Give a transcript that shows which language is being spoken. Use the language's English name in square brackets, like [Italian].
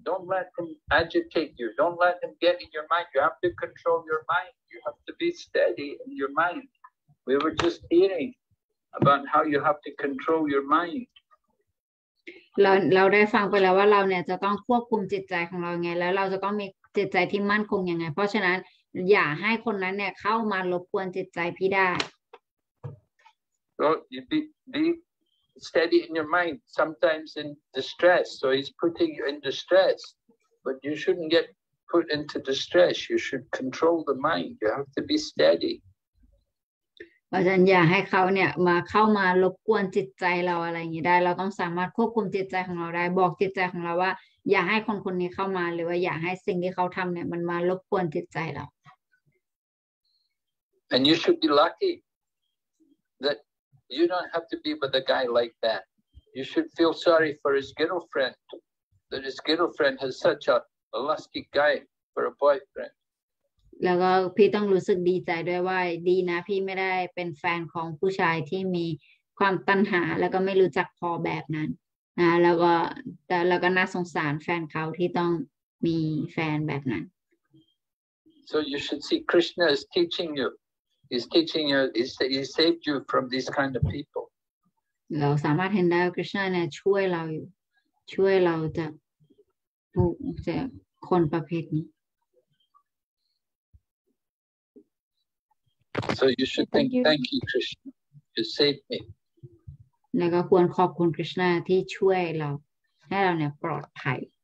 [English] Don't let them agitate you. Don't let them get in your mind. You have to control your mind. You have to be steady in your mind. We were just hearing about how you have to control your mind. [Thai] เราได้ฟังไปแล้วว่าเราเนี่ยจะต้องควบคุมจิตใจของเราไงแล้วเราจะต้องมีจิตใจที่มั่นคงยังไงเพราะฉะนั้นอย่าให้คนนั้นเนี่ยเข้ามารบกวนจิตใจพี่ได้ [English] So you be steady in your mind sometimes in distress so he's putting you in distress but you shouldn't get put into distress you should control the mind you have to be steady [Thai] เพราะฉะนั้นอย่าให้เขาเนี่ยมาเข้ามารบกวนจิตใจเราอะไรอย่างงี้ได้เราต้องสามารถควบคุมจิตใจของเราได้บอกจิตใจของเราว่าอย่าให้คนๆนี้เข้ามาหรือว่าอย่าให้สิ่งที่เขาทําเนี่ยมันมารบกวนจิตใจเรา [English] and you should be lucky thatYou don't have to be with a guy like that. You should feel sorry for his girlfriend, that his girlfriend has such a lusty guy for a boyfriend. [Thai] แล้วก็พี่ต้องรู้สึกดีใจด้วยว่าดีนะพี่ไม่ได้เป็นแฟนของผู้ชายที่มีความตัณหาแล้วก็ไม่รู้จักพอแบบนั้นนะแล้วก็น่าสงสารแฟนเขาที่ต้องมีแฟนแบบนั้น [English] So you should see Krishna is teaching youHe's teaching you, he saved you from these kind of people. [Thai] เราสามารถเห็นได้ว่าคริสต์เนี่ยช่วยเราอยู่ช่วยเราจะผู้จะคนประเภทนี้ [English] So you should thank you, Krishna. You saved me. [Thai] แล้วก็ควรขอบคุณคริสต์ที่ช่วยเราให้เราเนี่ยปลอดภัย